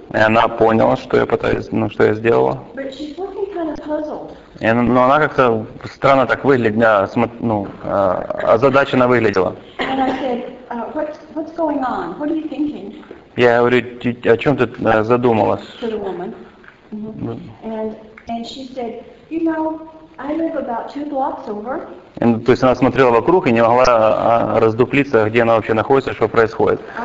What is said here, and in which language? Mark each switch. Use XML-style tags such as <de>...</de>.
<ru>И она поняла, что я пытаюсь, ну, что я сделала.</ru> <en>But she's looking kind of puzzled.</en> <ru>И ну, она как-то странно так выглядела, ну, озадаченно выглядела.</ru> <en>And I said, what's going on? What are you thinking?</en> <ru>Я говорю, о чем ты задумалась?</ru> <en>To the woman. Mm-hmm. And she said, you know, I live about 2 blocks over.</en> <ru>То есть она смотрела вокруг и не могла раздуплиться, где она вообще находится, что происходит.</ru>